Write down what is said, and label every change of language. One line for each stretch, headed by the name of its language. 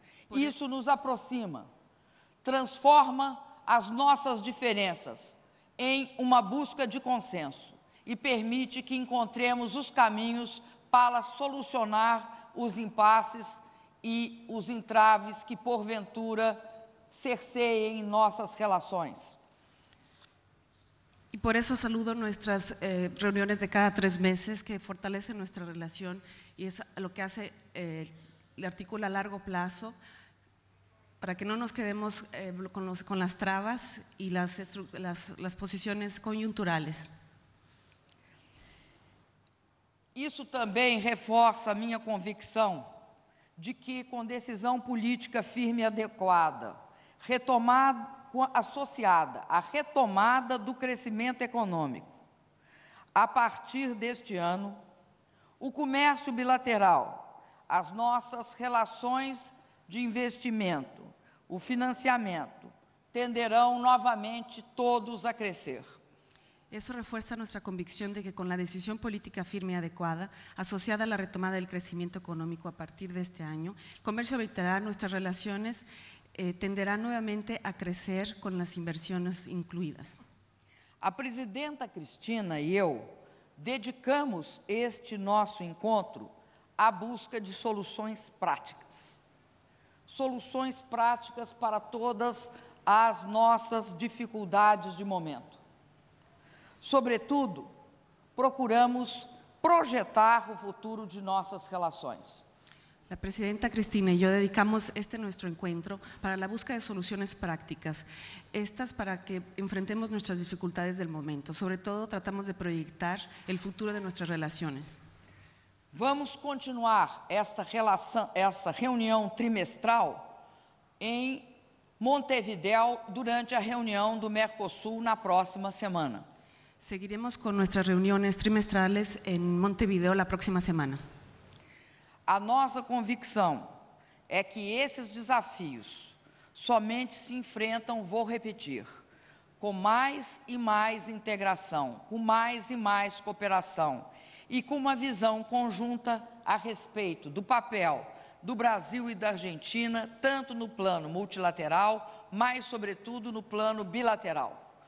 Portuguese: Isso nos aproxima, transforma as nossas diferenças em uma busca de consenso e permite que encontremos os caminhos para solucionar os impasses e os entraves que, porventura, cerceiem nossas relações.
Spanish: Y por eso saludo nuestras reuniones de cada tres meses que fortalecen nuestra relación y es lo que hace el artículo a largo plazo para que no nos quedemos con las trabas y las posiciones coyunturales. Eso también reforza mi convicción de que con decisión política firme y adecuada, retomada,
Portuguese: associada à retomada do crescimento econômico. A partir deste ano, o comércio bilateral, as nossas relações de investimento, o financiamento, tenderão novamente todos a crescer. Isso reforça nossa convicção de que, com a decisão política firme e adequada, associada à retomada do crescimento econômico a partir deste ano, o comércio bilateral, nossas relações tenderá novamente a crescer com as inversões incluídas. A presidenta Cristina e eu dedicamos este nosso encontro à busca de soluções práticas. Soluções práticas para todas as nossas dificuldades de momento. Sobretudo, procuramos projetar o futuro de nossas relações.
Spanish: La presidenta Cristina y yo dedicamos este nuestro encuentro para la búsqueda de soluciones prácticas, estas para que enfrentemos nuestras dificultades del momento. Sobre todo, tratamos de proyectar el futuro de nuestras relaciones. Vamos continuar esta relación, esta reunión trimestral en Montevideo durante la reunión del Mercosur la próxima semana. Seguiremos con nuestras reuniones trimestrales en Montevideo la próxima semana.
Portuguese: A nossa convicção é que esses desafios somente se enfrentam, vou repetir, com mais e mais integração, com mais e mais cooperação e com uma visão conjunta a respeito do papel do Brasil e da Argentina, tanto no plano multilateral, mas, sobretudo, no plano bilateral.